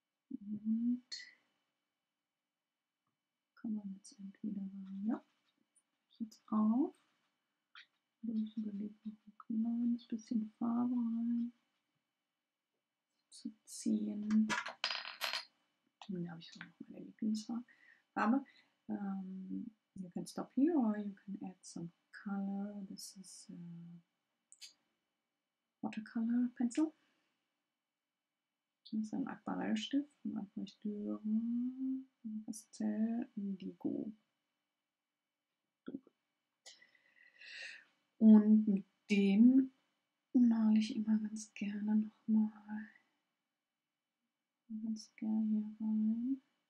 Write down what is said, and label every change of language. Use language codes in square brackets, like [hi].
[de] Und kann man jetzt entweder sagen, ja, ich jetzt auf. Oder ich überlege noch ein kleines bisschen Farbe rein zu ziehen. Dann habe ich so noch meine Lieblingsfarbe. [en] You can stop here or you can add some color. This is a watercolor pencil. [de] Das ist ein Aquarellstift von Aquarellstüre Pastell Indigo. Und mit dem male ich immer ganz gerne nochmal ganz gerne hier rein.